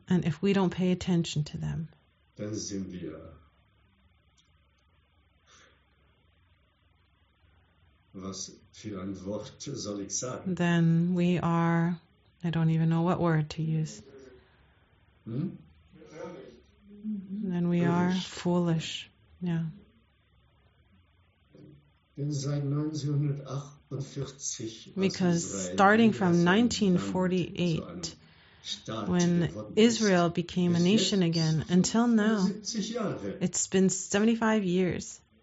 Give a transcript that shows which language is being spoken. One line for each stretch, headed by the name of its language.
English: and if we don't pay attention to them,
German: dann sind wir was für ein Wort soll ich sagen?
English: Then we are, I don't even know what word to use. Then we are foolish. Yeah.
German: Denn seit 1948,
English: because starting from 1948, when Israel became a nation again, until now, it's been 75 years.